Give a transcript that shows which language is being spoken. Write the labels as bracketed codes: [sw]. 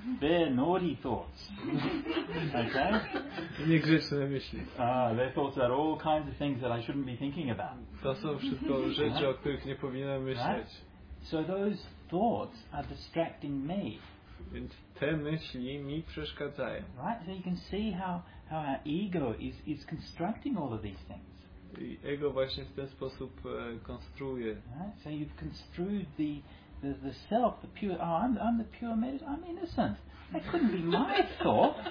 [en] They're naughty thoughts. Okay? [pl] Niegrzeczne myśli. [en] They're thoughts about all kinds of things that I shouldn't be thinking about. [pl] To są wszystko rzeczy, [en] right? [pl] O których nie powinienem myśleć. [en] Right? So those thoughts are distracting me. [pl] Więc te myśli mi przeszkadzają. [en] Right? So you can see how our ego is constructing all of these things. [pl] I ego właśnie w ten sposób konstruuje. [en] Right? So you've construed the self, the pure. Oh, I'm the pure meditator. I'm innocent. That couldn't be my thought.